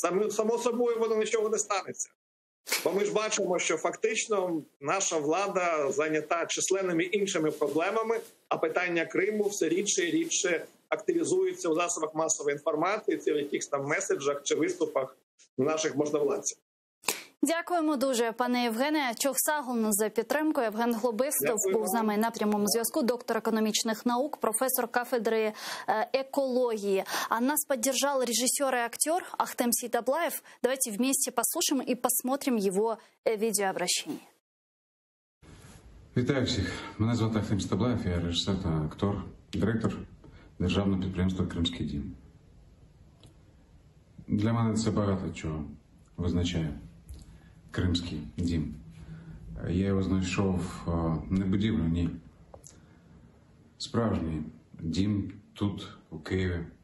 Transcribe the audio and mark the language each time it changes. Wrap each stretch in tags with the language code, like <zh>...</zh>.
<uk>Само собою воно нічого не станеться. Бо ми ж бачимо, що фактично наша влада зайнята численними іншими проблемами, а питання Криму все рідше і рідше активізується у засобах масової інформації, в якихось там меседжах чи виступах наших можновладців. Дякуємо дуже, пане Євгене Чохсагун, за підтримку. Євген Глобистов був з нами на прямому зв'язку, доктор економічних наук, професор кафедри екології.</uk> <ru>А нас поддержал режиссер и актер Ахтем Сейдаблаев. Давайте вместе послушаем и посмотрим его видеообращение.</ru> <uk>Вітаю всіх. Мене звати Ахтем Сейдаблаев, я режиссер та актер, директор державного підприємства «Кримський дім». Для мене це багато чого визначає. Кримський дім. Я його знайшов не будівлю, ні. Справжній дім тут, у Києві.</uk>